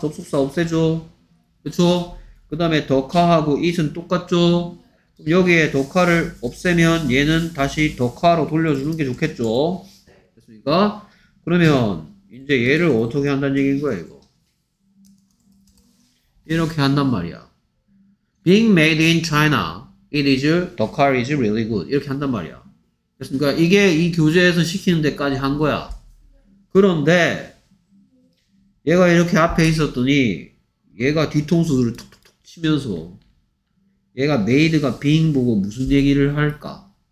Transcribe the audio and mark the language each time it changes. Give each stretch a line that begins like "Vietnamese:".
Korean: 접속사 없애죠. 그쵸? 그 다음에 더카하고 it은 똑같죠. 그럼 여기에 더카를 없애면 얘는 다시 더카로 돌려주는 게 좋겠죠. 됐습니까? 그러면 이제 얘를 어떻게 한다는 얘기인 거야 이거. 이렇게 한단 말이야.
English: Being made in China, it is, the car is really good.
Korean: 이렇게 한단 말이야. 그러니까 이게 이 교재에서 시키는 데까지 한 거야. 그런데 얘가 이렇게 앞에 있었더니 얘가 뒤통수를 톡톡톡 치면서 얘가 made가 being 보고 무슨 얘기를 할까?